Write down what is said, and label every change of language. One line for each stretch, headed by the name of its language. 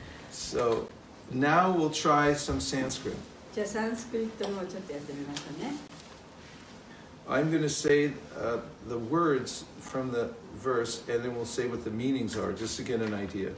English: So now we'll try some Sanskrit.
Japanese: じゃあサンスクリットもちょっとやってみましょうね。
English: I'm going to say the words from the verse and then we'll say what the meanings are just to get an idea.